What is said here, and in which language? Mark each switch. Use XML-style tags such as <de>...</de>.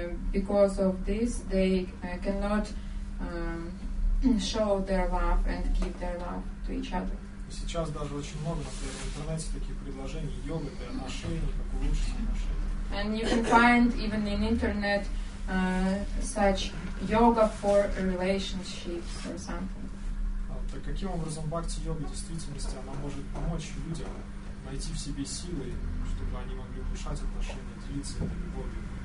<en>Because of this, they cannot show their love and give their love to each other.</en> <ru>Сейчас даже очень много, например, в интернете таких предложений йога для отношений, как улучшить отношения.</ru> <en>And you can find even in internet such yoga for relationships or something.</en> <ru>Так каким образом бхакти йога в действительности она может помочь людям найти в себе силы, чтобы они могли улучшать отношения, делиться этой любовью?</ru>